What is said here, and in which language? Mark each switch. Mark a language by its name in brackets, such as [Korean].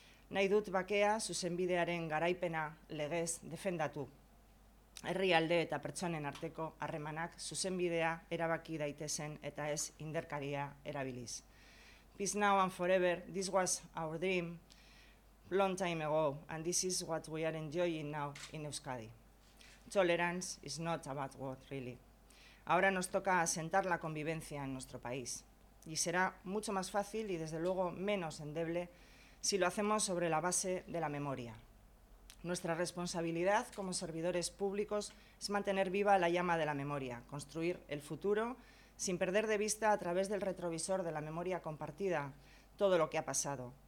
[Basque] Nahi dut bakea zuzenbidearen garaipena legez defendatu. Herrialde eta pertsonen arteko harremanak zuzenbidea erabaki daitezen eta ez inderkaria erabiliz. [English] Peace now and forever, this was our dream long time ago, and this is what we are enjoying now in Euskadi. Tolerance is not a bad word, really. [Spanish] Ahora nos toca asentar la convivencia en nuestro país. Y será mucho más fácil y, desde luego, menos endeble si lo hacemos sobre la base de la memoria. Nuestra responsabilidad como servidores públicos es mantener viva la llama de la memoria, construir el futuro sin perder de vista, a través del retrovisor de la memoria compartida, todo lo que ha pasado.